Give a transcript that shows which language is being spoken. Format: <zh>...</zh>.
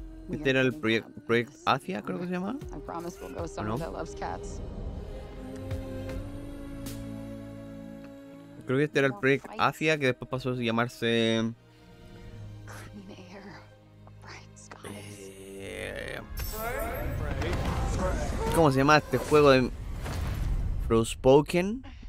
<es>Este era el proyecto Asia, creo que se llama.</es> <en>I promise we'll go somewhere that loves cats.</en> <es>Creo que este era el proyecto Asia, que después pasó a llamarse.</es> <en>Clean air, bright skies.</en> <es>¿Cómo se llama este juego de Frostpoken?</es>